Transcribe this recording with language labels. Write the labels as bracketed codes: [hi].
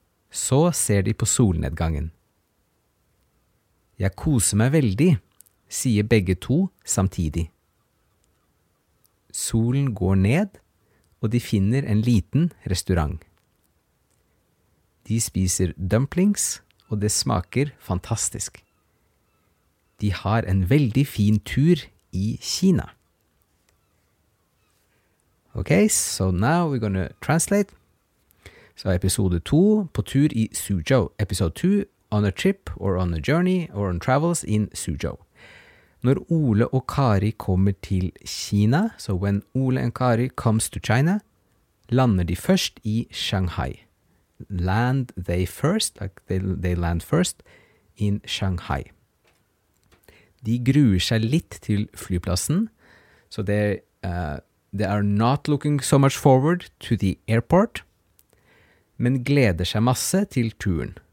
[no] Så ser de på solnedgangen. Jeg koser meg veldig, sier begge to samtidig. Solen går ned, og de finner en liten restaurant. De spiser dumplings, og det smaker fantastisk. De har en veldig fin tur I Kina. [en] Okay, so now we're going to translate. So episode 2, [no] på tur I Suzhou, [en] episode 2. On a trip, or on a journey, or on travels in Suzhou. [no] Når Ole og Kari kommer til Kina, [en] so when Ole and Kari comes to China, [no] lander de først I Shanghai. [en] Land they first, like they land first, in Shanghai. [no] De gruer seg litt til flyplassen, [en] so they are not looking so much forward to the airport, [no] men gleder seg masse til turen.